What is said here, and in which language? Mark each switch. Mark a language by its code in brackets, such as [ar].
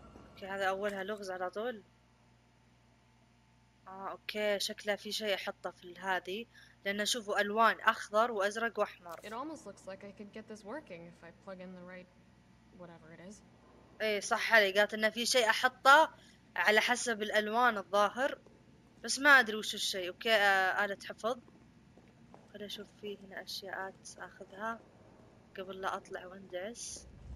[ar] اوكي، هذا اولها لغز على طول. اوكي، شكله في شيء احطه في هذه، لان اشوفه الوان اخضر وازرق واحمر. [en] It almost looks like I could get this working if I plug in the right whatever it is. [ar] اي صح علي، قالت انه في شيء احطه على حسب الالوان الظاهر، بس ما ادري وش الشيء. اوكي، آلة حفظ. خل اشوف فيه هنا اشياءات اخذها قبل لا اطلع واندعس.